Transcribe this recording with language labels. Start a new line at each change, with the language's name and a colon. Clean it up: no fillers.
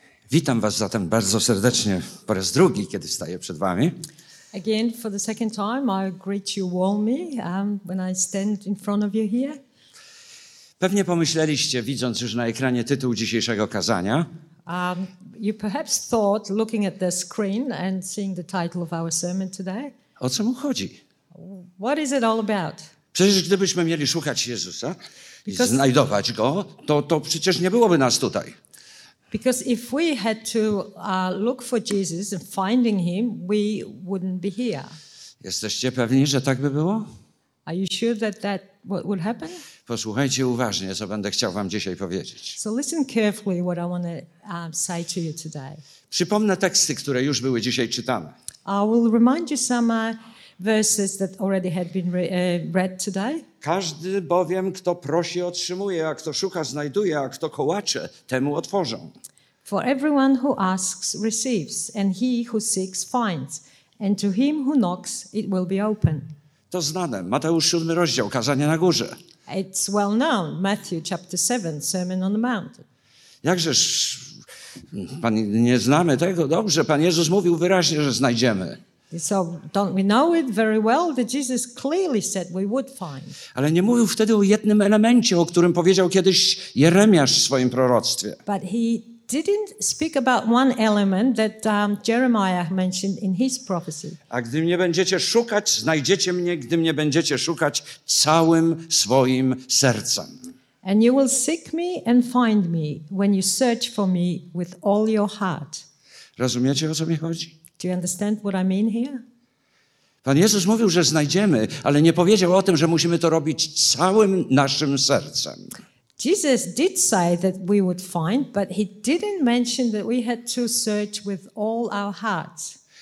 Polish: Witam was zatem bardzo serdecznie po raz drugi, kiedy staję przed wami.
English: Again for the second time, I greet you warmly when I stand in front of you here.
Polish: Pewnie pomyśleliście, widząc już na ekranie tytuł dzisiejszego kazania.
English: You perhaps thought, looking at the screen and seeing the title of our sermon today.
Polish: O co mu chodzi?
English: What is it all about?
Polish: Przecież gdybyśmy mieli szukać Jezusa i znajdować go, to przecież nie byłoby nas tutaj.
English: Because if we had to look for Jesus and finding him, we wouldn't be here.
Polish: Jesteście pewni, że tak by było?
English: Are you sure that would happen?
Polish: Posłuchajcie uważnie, co będę chciał wam dzisiaj powiedzieć.
English: So listen carefully what I want to say to you today.
Polish: Przypomnę teksty, które już były dzisiaj czytane.
English: I will remind you some verses that already had been read today.
Polish: Każdy bowiem, kto prosi, otrzymuje, a kto szuka, znajduje, a kto kołacze, temu otworzą.
English: For everyone who asks receives, and he who seeks finds, and to him who knocks it will be open.
Polish: To znane, Mateusz 7 rozdział, kazanie na górze.
English: It's well known, Matthew chapter 7, Sermon on the Mount.
Polish: Jakżeż pan, nie znamy tego dobrze, Pan Jezus mówił wyraźnie, że znajdziemy.
English: So don't we know it very well that Jesus clearly said we would find.
Polish: Ale nie mówił wtedy o jednym elemencie, o którym powiedział kiedyś Jeremiasz w swoim proroctwie.
English: But he didn't speak about one element that Jeremiah mentioned in his prophecy.
Polish: A gdy mnie będziecie szukać, znajdziecie mnie, gdy mnie będziecie szukać całym swoim sercem.
English: And you will seek me and find me when you search for me with all your heart.
Polish: Rozumiecie, o co mi chodzi?
English: Do you understand what I mean here?
Polish: Pan Jezus mówił, że znajdziemy, ale nie powiedział o tym, że musimy to robić całym naszym sercem.
English: Jesus did say that we would find, but he didn't mention that we had to search with all our hearts.